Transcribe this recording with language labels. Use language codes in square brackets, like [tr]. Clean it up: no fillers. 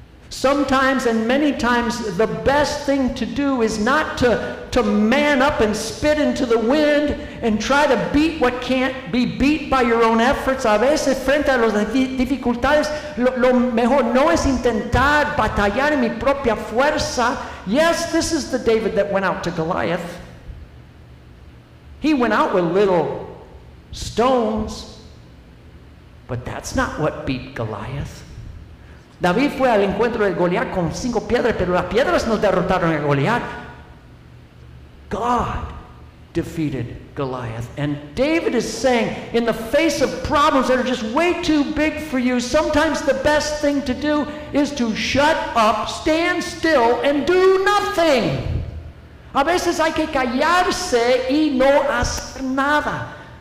[en] sometimes and many times the best thing to do is not to man up and spit into the wind and try to beat what can't be beat by your own efforts. [es] A veces frente a las dificultades, lo mejor no es intentar batallar en mi propia fuerza. [en] Yes, this is the David that went out to Goliath. He went out with little stones, but that's not what beat Goliath. [es] David fue al encuentro de Goliat con cinco piedras, pero las piedras no derrotaron a Goliat. [en] God defeated Goliath. And David is saying, in the face of problems that are just way too big for you, sometimes the best thing to do is to shut up, stand still, and do nothing. [es] A veces hay que callarse y no hacer nada.